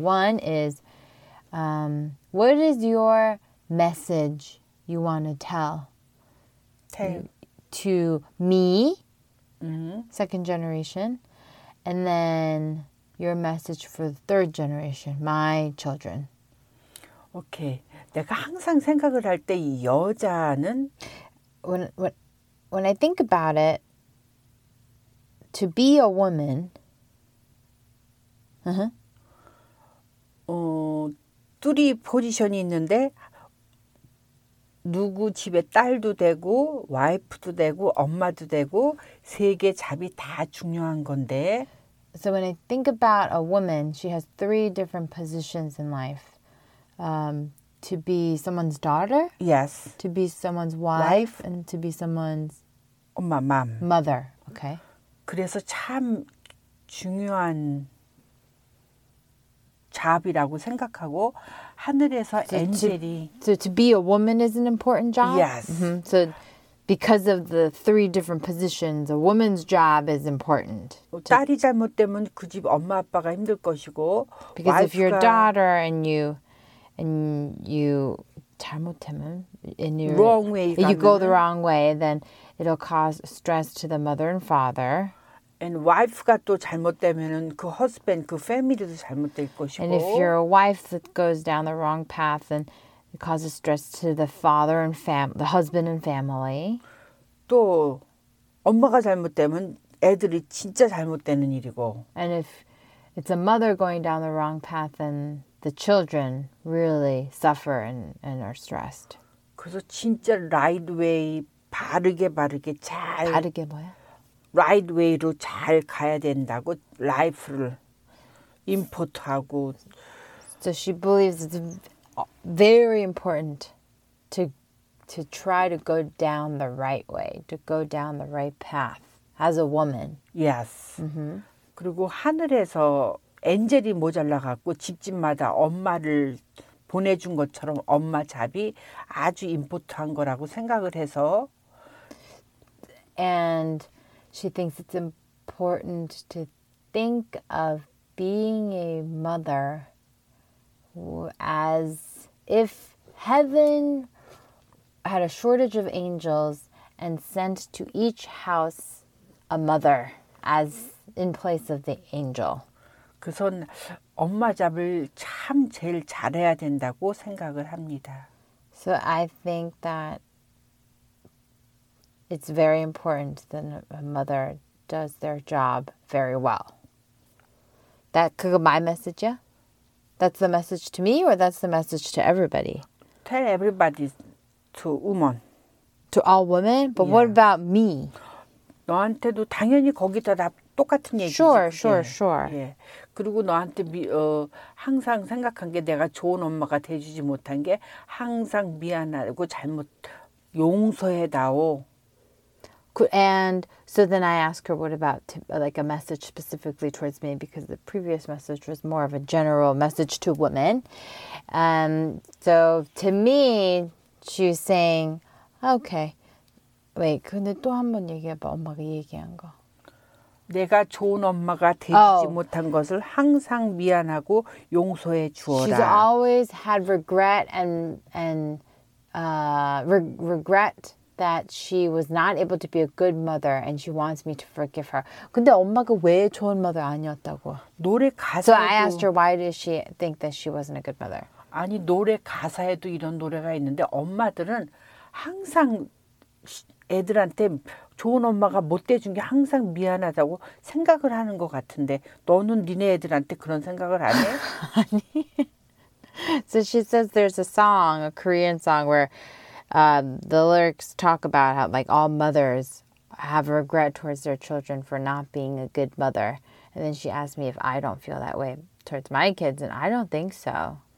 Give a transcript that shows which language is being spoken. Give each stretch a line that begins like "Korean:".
English: One is, what is your message you want to tell to me, second generation, and then your message for the third generation, my children? Okay.
Korean: 내가 항상 생각을 할 때 이 여자는
English: when I think about it, to be a woman,
Korean: three 포지션이 있는데 누구 집에 딸도 되고 와이프도 되고 엄마도 되고 세 개 잡이 다 중요한 건데.
English: So when I think about a woman, she has three different positions in life. To be someone's daughter. Yes. To be someone's wife. And to be someone's
Korean: 엄마, mom.
English: Mother. Okay.
Korean: 그래서 참 중요한 잡이라고 생각하고 하늘에서 엔젤이.
English: So to be a woman is an important job? Yes. Mm-hmm. So Because of the three different positions, a woman's job is important.
Korean: 딸이 잘못되면 그 집 엄마 아빠가 힘들 것이고.
English: Because if you're a daughter and you
Korean: 잘못되면
English: in your wrong way, if you go the wrong way, then it'll cause stress to the mother and father.
Korean: And wife가 또 잘못되면은 그 husband, 그 family도 잘못될 것이고.
English: And if you're a wife that goes down the wrong path, then it causes stress to the father and the husband and family.
Korean: 또 엄마가 잘못되면 애들이 진짜 잘못되는 일이고.
English: And if it's a mother going down the wrong path, then the children really suffer and are stressed.
Korean: 그래서 진짜 right way 바르게 바르게 잘. 바르게 뭐야? Right way로 잘 가야 된다고 life를 import하고.
English: So she believes it's very important to try to go down the right way, to go down the right path as a woman. Yes. Mm-hmm.
Korean: 그리고 하늘에서 엔젤이 모자라갖고 집집마다 엄마를 보내준 것처럼 엄마 잡이 아주 import한 거라고 생각을 해서.
English: And she thinks it's important to think of being a mother as if heaven had a shortage of angels and sent to each house a mother as in place of the angel.
Korean: 그선 엄마 잡을 참 제일 잘해야 된다고 생각을 합니다.
English: So I think that it's very important that a mother does their job very well. That could be my message, yeah? That's the message to me, or that's the message to everybody? Tell everybody to woman. To all women? But yeah. What about me?
Korean: 너한테도 당연히 거기다 다 똑같은 얘기지.
English: Sure.
Korean: 예. 그리고 너한테 항상 생각한 게 내가 좋은 엄마가 돼주지 못한 게 항상 미안하고 잘못 용서해다오.
English: And so then I ask her, what about like a message specifically towards me? Because the previous message was more of a general message to women. So to me, she's saying, okay.
Korean: Wait, 근데 또 한 번 얘기해봐, 엄마가 얘기한 거. 내가 좋은 엄마가 되지 못한 것을 항상 미안하고 용서해 주어라.
English: She's always had regret and regret. That she was not able to be a good mother and she wants me to forgive her.
Korean: 근데 엄마가 왜 좋은 mother 아니었다고? 노래 가사에도
English: So I asked her why does she think that she wasn't a good mother?
Korean: 아니 노래 가사에도 이런 노래가 있는데 엄마들은 항상 애들한테 좋은 엄마가 못 돼준 게 항상 미안하다고 생각을 하는 것 같은데 너는 니네 애들한테 그런 생각을 안 해? 아니.
English: So she says there's a song, a Korean song where the lyrics talk about how, like, all mothers have regret towards their children for not being a good mother. And then she asked me if I don't feel that way towards my kids, and I don't think so.